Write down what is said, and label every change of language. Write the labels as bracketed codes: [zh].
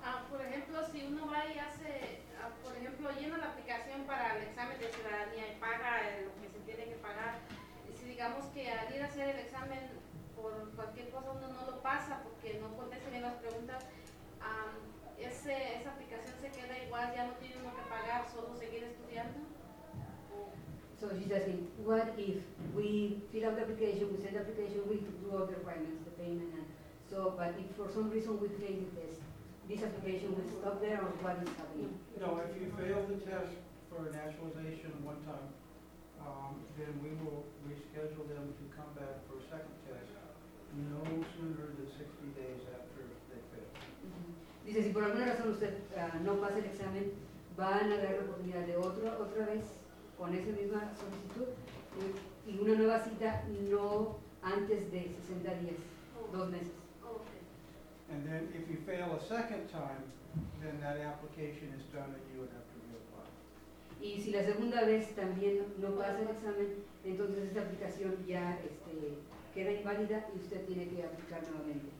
[es] Por ejemplo, si uno va y hace, por ejemplo, llena la aplicación para el examen de ciudadanía y paga lo que se tiene que pagar, si digamos que al ir a hacer el examen por cualquier cosa uno no lo pasa porque no contesta bien las preguntas, esa aplicación se queda igual, ya no tiene uno que pagar, solo seguir estudiando. [en] So she's asking, what if we fill out the application, we send the application, we do all the requirements, the payment, and so, but if for some reason we fail the test, this application will stop there, or what is happening? No, if you fail the test for naturalization one time, then we will reschedule them to come back for a second test no sooner than 60 days after they fail. [es] Dice, si por alguna razón usted no pasa el examen, van a dar la oportunidad de otra vez con esa misma solicitud y una nueva cita no antes de 60 días, dos meses. [en] And then if you fail a second time, then that application is done and you would have to reapply. [es] Y si la segunda vez también no pasa el examen, entonces esta aplicación ya queda inválida y usted tiene que aplicar nuevamente.